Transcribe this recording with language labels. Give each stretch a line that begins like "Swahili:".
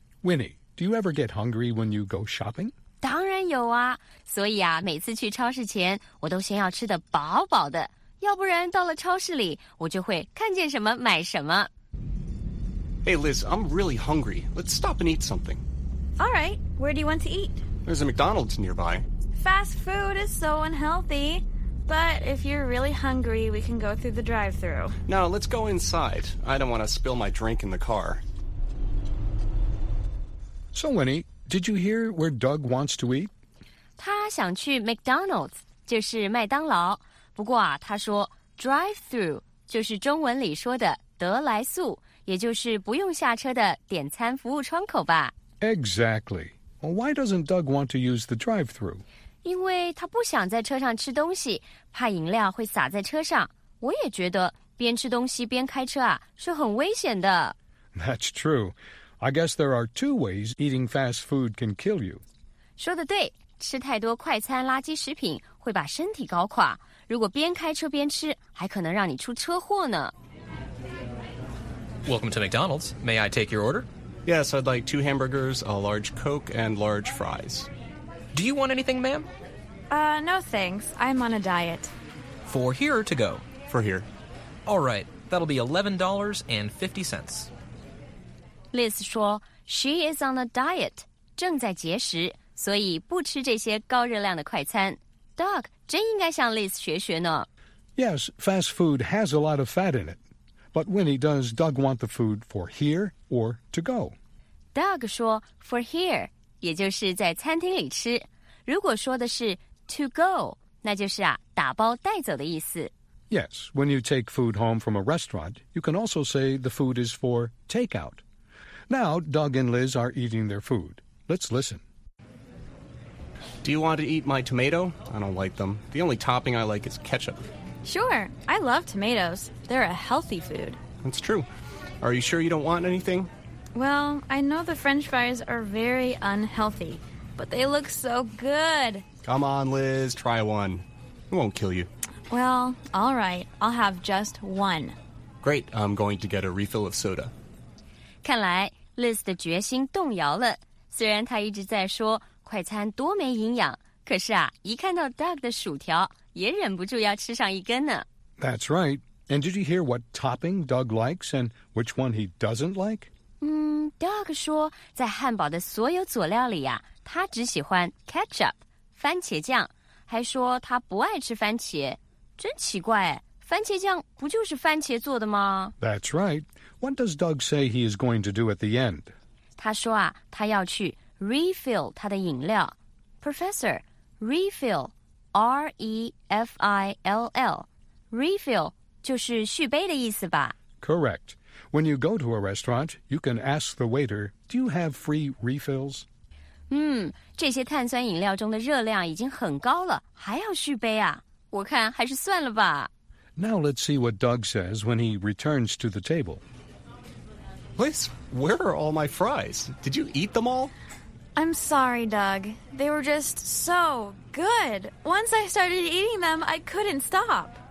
English: Winnie, do you ever get hungry when you go shopping?
Chinese: 当然有啊，所以啊，每次去超市前我都先要吃得饱饱的，要不然到了超市里我就会看见什么买什么。
English: Hey Liz, I'm really hungry. Let's stop and eat something. All right, where do you want to eat? There's a McDonald's nearby. Fast food is so unhealthy, but if you're really hungry, we can go through the drive-thru. No, let's go inside. I don't want to spill my drink in the car. So Winnie, did you hear where Doug wants to eat?
Chinese: 他想去 McDonald's, 就是麦当劳。不过啊，他说 drive-thru 就是中文里说的得来速，也就是不用下车的点餐服务窗口吧。
English: Exactly. Well, why doesn't Doug want to use the drive-thru?
Chinese: 因为他不想在车上吃东西，怕饮料会洒在车上。我也觉得边吃东西边开车啊，是很危险的。
English: That's true. I guess there are two ways eating fast food can kill you.
Chinese: 说得对，吃太多快餐垃圾食品会把身体搞垮。如果边开车边吃，还可能让你出车祸呢。
English: Welcome to McDonald's. May I take your order? Yes, I'd like two hamburgers, a large Coke, and large fries. Do you want anything, ma'am? No thanks. I'm on a diet. For here or to go? For here. All right, that'll be $11.50.
Chinese: Liz 说
English: she is on a diet,
Chinese: 正在节食，所以不吃这些高热量的快餐。 Doug 真应该向 Liz 学学呢。
English: Yes, fast food has a lot of fat in it. But Winnie, does Doug want the food for here or to go?
Chinese: Doug 说
English: for here,
Chinese: 也就是在餐厅里吃。如果说的是
English: to go,
Chinese: 那就是啊，打包带走的意思。
English: Yes, when you take food home from a restaurant, you can also say the food is for takeout. Now, Doug and Liz are eating their food. Let's listen. Do you want to eat my tomato? I don't like them. The only topping I like is ketchup. Sure, I love tomatoes. They're a healthy food. That's true. Are you sure you don't want anything? Well, I know the french fries are very unhealthy, but they look so good. Come on, Liz, try one. It won't kill you. Well, all right, I'll have just one. Great, I'm going to get a refill of soda.
Chinese: 看来 Liz 的决心动摇了，虽然她一直在说快餐多没营养，可是啊，一看到 Doug 的薯条，也忍不住要吃上一根呢。
English: That's right. And did you hear what topping Doug likes and which one he doesn't like?
Chinese: Doug 说，在汉堡的所有佐料里啊，他只喜欢 ketchup, 番茄酱，还说他不爱吃番茄。真奇怪，番茄酱不就是番茄做的吗？
English: That's right. What does Doug say he is going to do at the end?
Chinese: 他说啊，他要去refill 他的饮料。
English: Professor, refill, R-E-F-I-L-L.
Chinese: Refill 就是续杯的意思吧。
English: Correct. When you go to a restaurant, you can ask the waiter, do you have free refills?
Chinese: 这些碳酸饮料中的热量已经很高了，还要续杯啊？我看还是算了吧。
English: Now let's see what Doug says when he returns to the table. Liz, where are all my fries? Did you eat them all? I'm sorry, Doug. They were just so good. Once I started eating them, I couldn't stop.